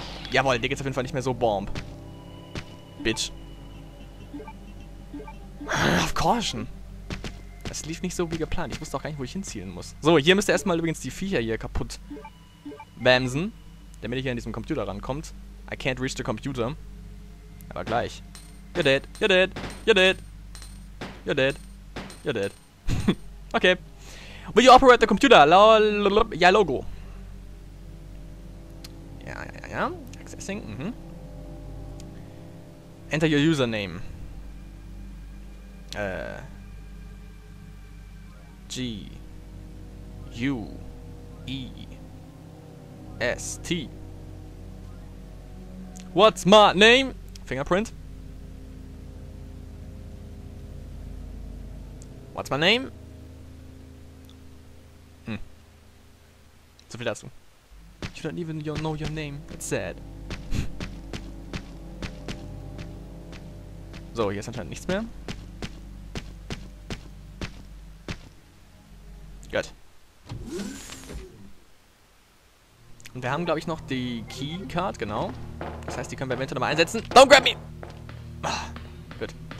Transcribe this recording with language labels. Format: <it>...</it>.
<de>Jawohl, dir geht's auf jeden Fall nicht mehr so bomb. Bitch. Auf Caution! Es lief nicht so wie geplant. Ich wusste auch gar nicht, wo ich hinzielen muss. So, hier müsst ihr erstmal übrigens die Viecher hier kaputt bamsen. Damit ihr hier an diesem Computer rankommt.</de> <en>I can't reach the computer.</en> <de>Aber gleich.</de> <en>You're dead. You're dead. You're dead. You're dead. You're dead. Okay. Will you operate the computer?</en> <de>Ja, Logo. Ja, ja, ja, ja.</de> <en>Accessing.</en> <de>Mhm.</de> <en>Enter your username. G U E S T. What's my name? Fingerprint. What's my name?</en> <de>Zu viel dazu.</de> <en>You don't even know your name. That's sad.</en> <de>So, hier ist anscheinend nichts mehr. Gut. Und wir haben, glaube ich, noch die Keycard, genau. Das heißt, die können wir eventuell nochmal einsetzen.</de> <en>Don't grab me!</en> <de>Gut.</de>